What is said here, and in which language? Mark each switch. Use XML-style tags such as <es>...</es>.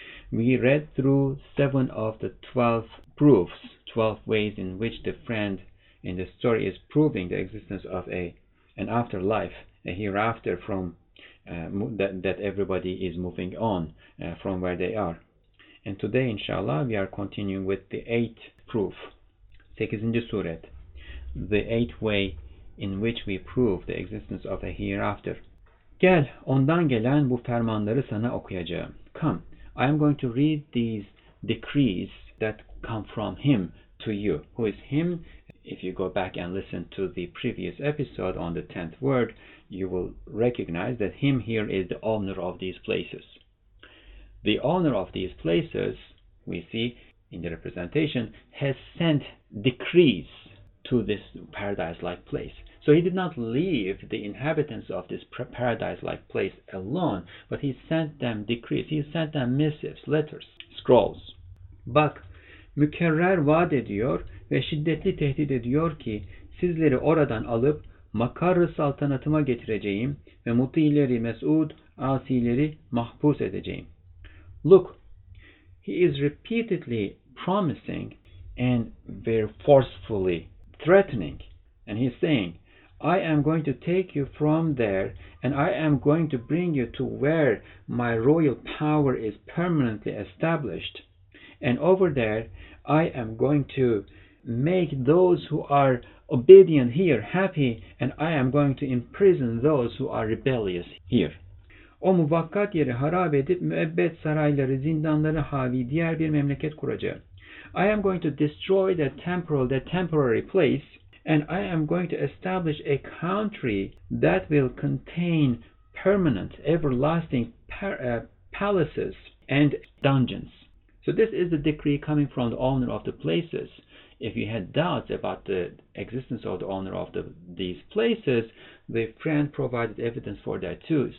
<en>We read through 7 of the 12 proofs, 12 ways in which the friend in the story is proving the existence of an afterlife, a hereafter from that everybody is moving on from where they are. And today, inshallah, we are continuing with the 8th proof, 8th surat, the 8th way in which we prove the existence of a hereafter.</en> <tr>Gel, ondan gelen bu fermanları sana okuyacağım.</tr> <en>Come, I am going to read these decrees that come from him to you. Who is him? If you go back and listen to the previous episode on the 10th word, you will recognize that him here is the owner of these places. The owner of these places, we see in the representation, has sent decrees to this paradise-like place. So he did not leave the inhabitants of this paradise-like place alone, but he sent them decrees. He sent them missives, letters, scrolls.</en> <tr>Bak, mükerrer vaat ediyor ve şiddetli tehdit ediyor ki, sizleri oradan alıp Makarr-ı saltanatıma getireceğim ve Muti'leri mes'ud, asileri mahpus edeceğim.</tr> <en>Look, he is repeatedly promising and very forcefully threatening. And he's saying, I am going to take you from there and I am going to bring you to where my royal power is permanently established. And over there, I am going to make those who are obedient here happy and I am going to imprison those who are rebellious here.</en> <tr>O muvakkat yeri harap edip müebbet sarayları, zindanları havi diğer bir memleket kuracağım.</tr> <en>I am going to destroy that temporary place and I am going to establish a country that will contain permanent, everlasting palaces and dungeons. So this is the decree coming from the owner of the places. If you had doubts about the existence of the owner of these places, the friend provided evidence for that too.</en>